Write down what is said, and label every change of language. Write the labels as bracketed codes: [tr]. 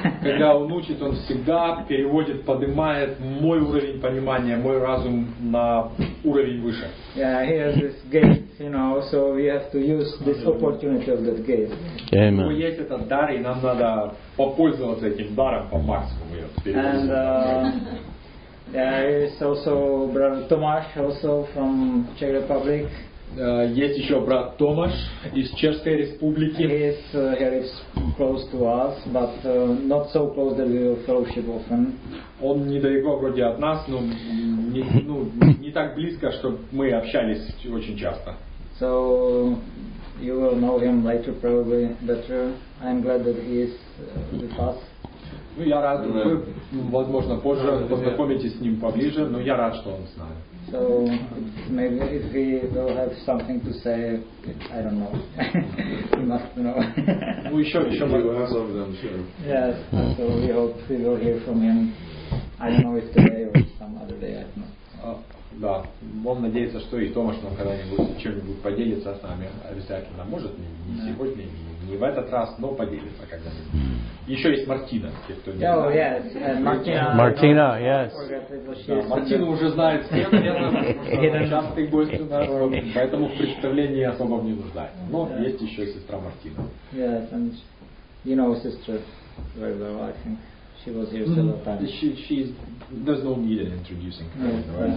[ru] Когда он учит, он всегда переводит, поднимает мой уровень понимания, мой разум на уровень выше. [en] Yeah, he has this gate, you know, so we have to use this opportunity of that gate. Amen. [ru] У есть этот дар, и нам надо попользоваться этим даром по максимуму. [en] And there is also brother Tomáš, also from Czech Republic. [ru] Есть еще брат Томаш из Чешской Республики. [en] He is here close to us, but not so close that we will fellowship often. [ru] Он недалеко вроде от нас, но не так близко, чтобы мы общались очень часто. [en] So you will know him later probably better. I'm glad that he is with us. [ru] Ну я рад, вы, возможно, позже познакомитесь с ним поближе, но я рад, что он с нами. [en] So maybe if we will have something to say, I don't know. We must know. We should have some of them, sure. Yes, so we hope we will hear from him. I don't know if today or some other day, I don't know. [ru] Да, он надеется, что и Томаш нам когда-нибудь чем-нибудь поделится с нами обязательно. Может, не сегодня, не в этот раз, но поделится когда-нибудь. Еще есть Мартина, те, кто не знает. [en] Oh, yes. Мартина, yes. [ru] Да, Мартина уже знает всех, наверное, потому что она частый гость у нас, поэтому в представлении особо не нуждается. Но есть еще сестра Мартина. [en] Yes, and you know sister very well, I think. She was here several times. She's there's no need in introducing her, right?